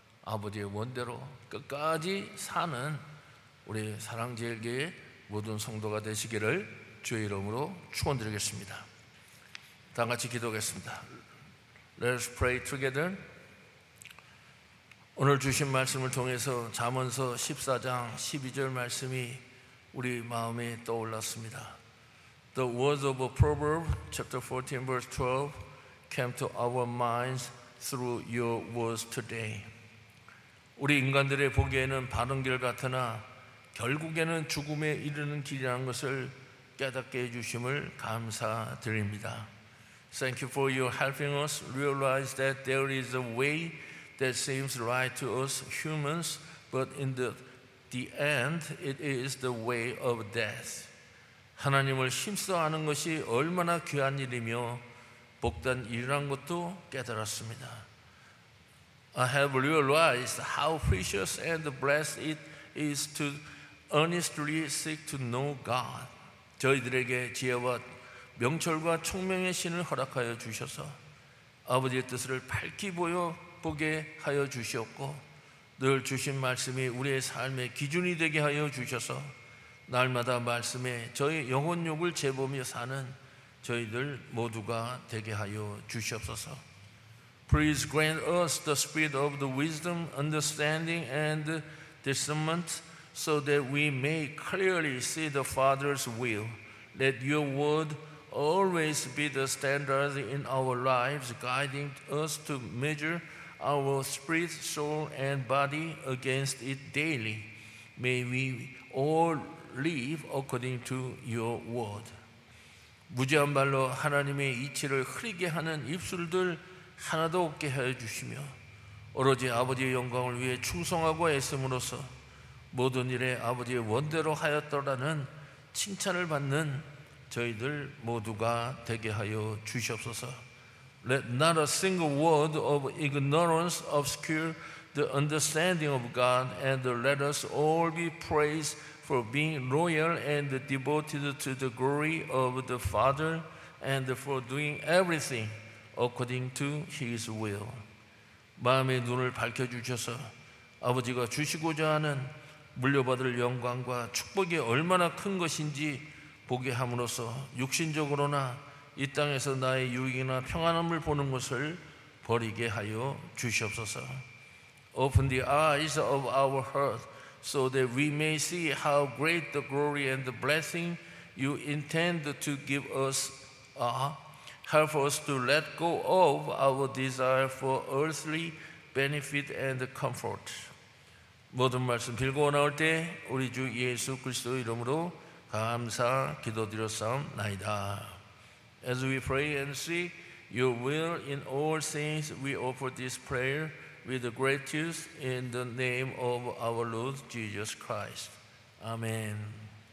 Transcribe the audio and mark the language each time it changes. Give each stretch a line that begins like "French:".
Korean: 아버지의 원대로 끝까지 사는 우리 사랑제일교회 모든 성도가 되시기를 주의 이름으로 축원드리겠습니다. 다 같이 기도하겠습니다.
English: Let's pray together.
Korean: 오늘 주신 말씀을 통해서 잠언서 14장 12절 말씀이 우리 마음에 떠올랐습니다.
English: The words of a proverb, chapter 14, verse 12, came to our minds through your words today.
Korean: 우리 인간들의 보기에는 바른 길 같으나 결국에는 죽음에 이르는 길이라는 것을 깨닫게 해주심을 감사드립니다.
English: Thank you for your helping us realize that there is a way that seems right to us humans, but in the end, it is the way of death.
Korean: 하나님을 힘써 아는 것이 얼마나 귀한 일이며 복된 일이란 것도 깨달았습니다.
English: I have realized how precious and blessed it is to earnestly seek to know God.
Korean: 저희들에게 지혜와 명철과 총명의 신을 허락하여 주셔서 아버지의 뜻을 밝히 보게 하여 주시었고 늘 주신 말씀이 우리의 삶의 기준이 되게 하여 주셔서 날마다 말씀에 저희 영혼욕을 재보며 사는 저희들 모두가 되게 하여 주시옵소서.
English: Please grant us the spirit of the wisdom, understanding, and discernment so that we may clearly see the Father's will. Let your word always be the standard in our lives, guiding us to measure our spirit, soul, and body against it daily. May we all live according to your word.
Korean: 무지한 말로 하나님의 이치를 흐리게 하는 입술들 하나도 없게 하여 주시며 오로지 아버지의 영광을 위해 충성하고 애씀으로써 모든 일에 아버지의 원대로 하였더라는 칭찬을 받는 저희들 모두가 되게 하여 주시옵소서.
English: Let not a single word of ignorance obscure the understanding of God, and let us all be praised for being loyal and devoted to the glory of the Father and for doing everything according to His will.
Korean: 마음의 눈을 밝혀주셔서 아버지가 주시고자 하는 물려받을 영광과 축복이 얼마나 큰 것인지 보게 함으로써 육신적으로나 이 땅에서 나의 유익이나 평안함을 보는 것을 버리게 하여 주시옵소서.
English: Open the eyes of our heart so that we may see how great the glory and the blessing you intend to give us are. Help us to let go of our desire for earthly benefit and comfort.
Korean: 모든 말씀 빌고 나올 때 우리 주 예수 그리스도 이름으로 감사 기도드렸사옵나이다.
English: As we pray and seek your will in all things, we offer this prayer with gratitude in the name of our Lord Jesus Christ. Amen.